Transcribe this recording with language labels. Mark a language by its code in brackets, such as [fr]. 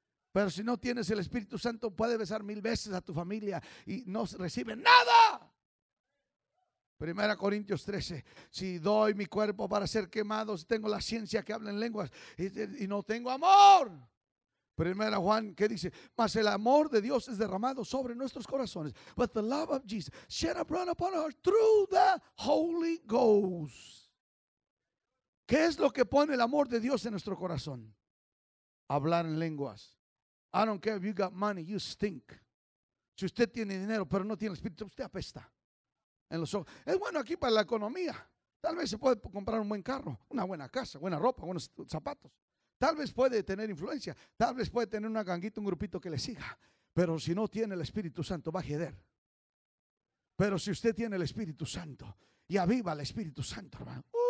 [es] Pero si no tienes el Espíritu Santo, puedes besar mil veces a tu familia y no recibe nada. Primera Corintios 13. Si doy mi cuerpo para ser quemado, si tengo la ciencia que habla en lenguas y no tengo amor. Primera Juan, ¿qué dice? Mas el amor de Dios es derramado sobre nuestros corazones. [en] But the love of Jesus shed abroad upon us through the Holy Ghost. [es] ¿Qué es lo que pone el amor de Dios en nuestro corazón? Hablar en lenguas. [en] I don't care if you got money, you stink. [es] Si usted tiene dinero, pero no tiene espíritu, usted apesta. En los ojos. Es bueno aquí para la economía. Tal vez se puede comprar un buen carro, una buena casa, buena ropa, buenos zapatos. Tal vez puede tener influencia. Tal vez puede tener una ganguita, un grupito que le siga. Pero si no tiene el Espíritu Santo, va a jeder. Pero si usted tiene el Espíritu Santo, y aviva el Espíritu Santo, hermano.